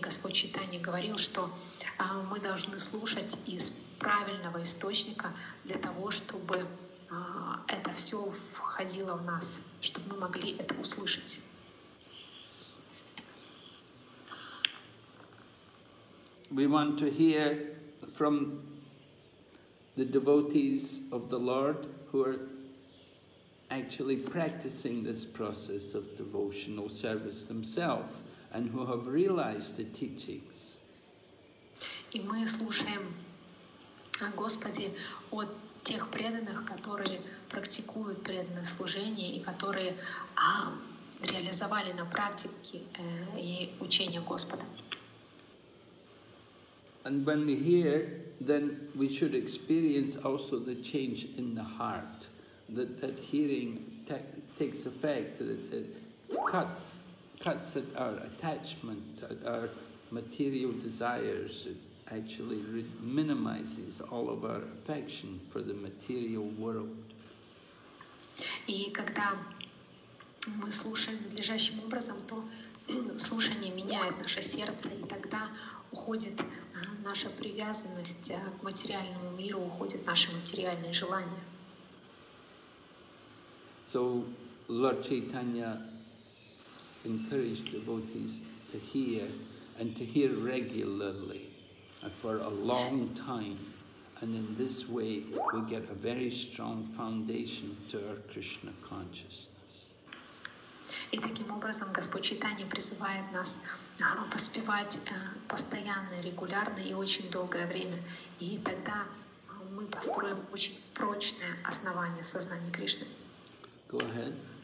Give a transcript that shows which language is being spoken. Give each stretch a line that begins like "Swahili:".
Russian: Господь Чайтанья говорил, что мы должны слушать из правильного источника для того, чтобы это все входило в нас, чтобы мы могли это услышать.
English: We want to hear from the devotees of the Lord who are actually practicing this process of devotional service themselves and who have realized the teachings.
Russian: И мы слушаем о Господе от тех преданных, которые практикуют преданное служение и которые реализовали на практике и учение Господа.
English: And when we hear, then we should experience also the change in the heart, that hearing takes effect, that it cuts at our attachment, at our material desires. It actually minimizes all of our affection for the material world.
Russian: И когда мы слушаем надлежащим образом, то слушание меняет наше сердце, и тогда уходит наша привязанность к материальному миру, уходит наше материальное желание.
English: So Lord Chaitanya encouraged devotees to hear and to hear regularly for a long time, and in this way we get a very strong foundation to our Krishna consciousness.
Russian: И таким образом Господь Чайтанья призывает нас воспевать постоянно, регулярно и очень долгое время. И тогда мы построим очень прочное основание сознания Кришны.
English: Go ahead.